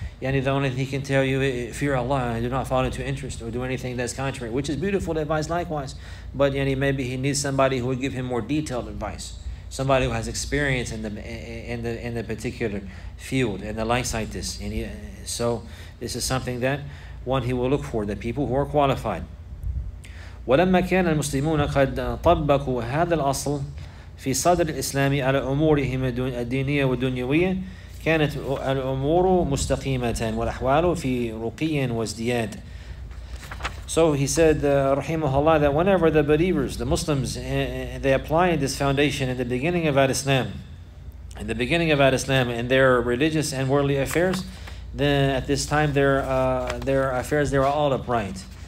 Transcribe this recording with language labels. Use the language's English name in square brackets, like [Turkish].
[English] Yani, the only thing he can tell you, fear Allah and do not fall into interest or do anything that's contrary, which is beautiful advice likewise. But maybe he needs somebody who would give him more detailed advice, somebody who has experience in the particular field and the likes like this. So this is something that one, he will look for, the people who are qualified. [Arabic] وَلَمَّا كَانَ الْمُسْلِمُونَ قَدْ طَبَّقُوا هَذَا الْأَصْلِ فِي صَدْرِ الْإِسْلَامِ عَلَى أُمُورِهِمْ الدِّينِيَّةِ وَالدُّنْيَوِيَّةِ كانت الأمور مستقيمة والأحوال في رقي وازدياد. [English] So he said, Rahimahullah, that whenever the believers, the Muslims, they apply this foundation in the beginning of Al-Islam, in their religious and worldly affairs, then at this time their affairs, they were all upright.